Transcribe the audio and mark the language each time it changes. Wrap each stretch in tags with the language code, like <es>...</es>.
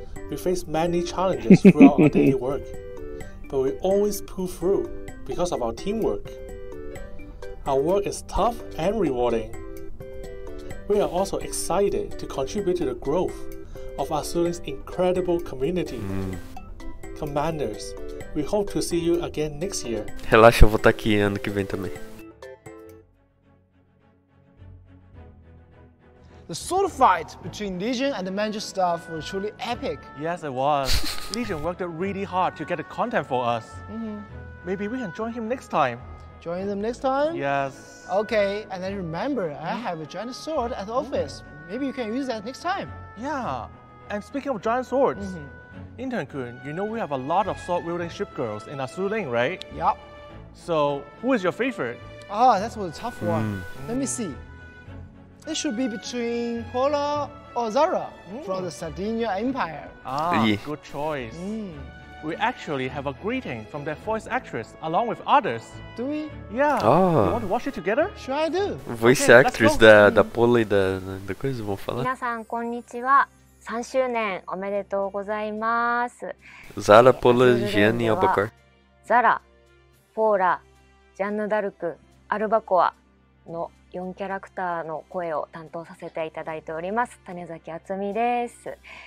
<en>We face many challenges throughout our daily work, but we always pull through because of our teamwork. Our work is tough and rewarding. We are also excited to contribute to the growth of our students' incredible community. Mm. Commanders, we hope to see you again next year.</en> <pt>Relaxa, eu vou estar aqui ano que vem também.</pt> <en>The sword fight between Legion and the Manju staff was truly epic. Yes, it was. Legion worked really hard to get the content for us. Mm-hmm. Maybe we can join him next time. Join them next time? Yes. Okay, and then remember, I have a giant sword at the office. Maybe you can use that next time. Yeah, and speaking of giant swords, Intern-kun, you know we have a lot of sword-wielding ship girls in our Suling, right? Yep. So, who is your favorite? Oh, that was a tough one. Let me see. It should be between Paula or Zara from the Sardinia Empire. Ah, good choice. we actually have a greeting from that voice actress along with others. Do we? Yeah. Oh. You want to watch it together? Sure, I do. Voice okay, actress</en> <pt>da Polly da coisa, vou falar.</pt> <ja>皆さんこんにちは。 3周年おめでとうございます。 Zara, Paula, Jeanne, Albuquerque. Zara, Paula, Jeanne d'Arc, Albuquerque の4キャラクターの声を担当させていただいております。種崎あつみです。</ja>